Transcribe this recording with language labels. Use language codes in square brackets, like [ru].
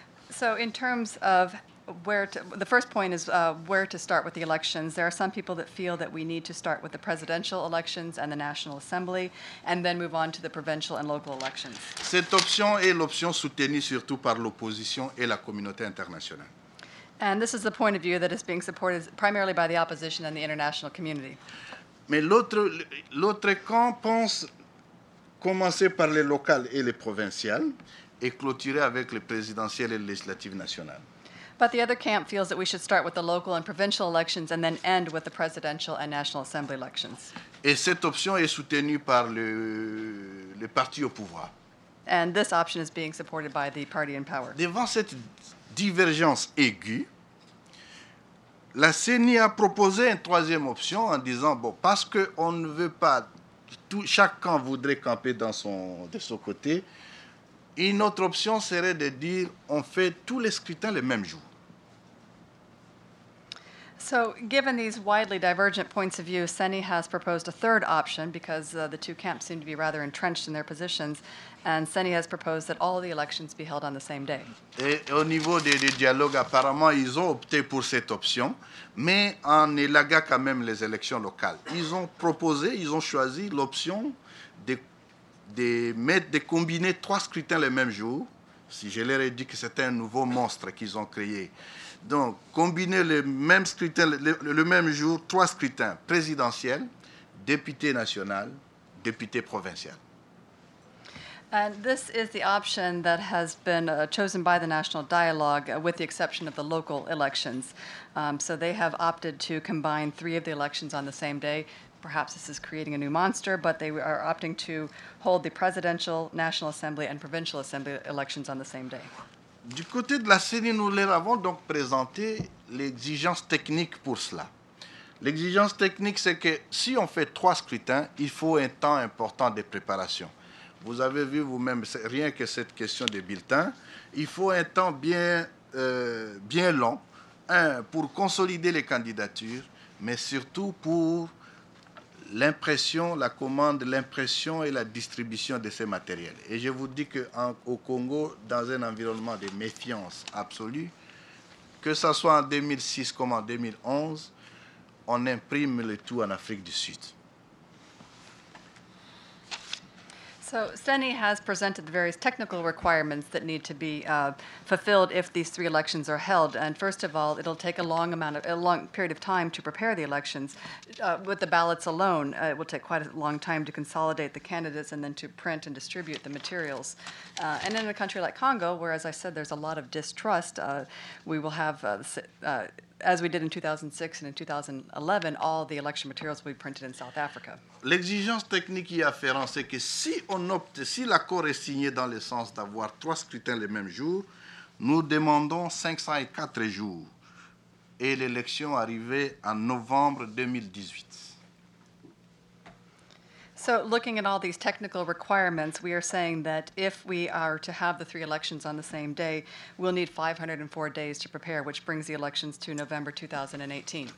[en] So in terms of the first point is where to start with the elections. There are some people that feel that we need to start with the presidential elections and the National Assembly, and then move on to the provincial and local elections. [fr] Cette option est l'option soutenue surtout par l'opposition et la communauté internationale. [en] And this is the point of view that is being supported primarily by the opposition and the international community. [fr] Mais l'autre camp pense commencer par les locales et les provinciales et clôturer avec les présidentielles et les législatives nationales. [en] But the other camp feels that we should start with the local and provincial elections and then end with the presidential and national assembly elections. [fr] Et cette option est soutenue par le parti au pouvoir. [en] And this option is being supported by the party in power. [fr] Devant cette divergence aiguë, la CENI a proposé une troisième option en disant, bon, parce qu'on ne veut pas, chaque camp voudrait camper de son côté, une autre option serait de dire, on fait tous les scrutins le même jour. [en] So, given these widely divergent points of view, CENI has proposed a third option because the two camps seem to be rather entrenched in their positions, and CENI has proposed that all the elections be held on the same day. [fr] Et au niveau des dialogues, apparemment, ils ont opté pour cette option, mais en élaguant quand même les élections locales. Ils ont choisi l'option de combiner trois scrutins le même jour. Si je leur ai dit que c'était un nouveau monstre qu'ils ont créé. Donc, combiner le même scrutin, le même jour, trois scrutins, présidentiel, député national, député provincial. [en] And this is the option that has been chosen by the National Dialogue, with the exception of the local elections. So they have opted to combine three of the elections on the same day. Perhaps this is creating a new monster, but they are opting to hold the presidential, national assembly, and provincial assembly elections on the same day. [fr] Du côté de la CENI, nous leur avons donc présenté l'exigence technique pour cela. L'exigence technique, c'est que si on fait trois scrutins, il faut un temps important de préparation. Vous avez vu vous-même, rien que cette question des bulletins, il faut un temps bien, bien long, un, pour consolider les candidatures, mais surtout pour l'impression, la commande, l'impression et la distribution de ces matériels. Et je vous dis qu'au Congo, dans un environnement de méfiance absolue, que ce soit en 2006 comme en 2011, on imprime le tout en Afrique du Sud. [en] So Seni has presented the various technical requirements that need to be fulfilled if these three elections are held. And first of all, it'll take a long period of time to prepare the elections. With the ballots alone, it will take quite a long time to consolidate the candidates and then to print and distribute the materials. And in a country like Congo, where, as I said, there's a lot of distrust, we will have, as we did in 2006 and in 2011, all the election materials will be printed in South Africa. [fr] L'exigence technique y afférente, c'est que si on opte, si l'accord est signé dans le sens d'avoir trois scrutins le même jour, nous demandons 504 jours et l'élection arrivée en novembre 2018. [en] So looking at all these technical requirements, we are saying that if we are to have the three elections on the same day, we'll need 504 days to prepare, which brings the elections to November 2018.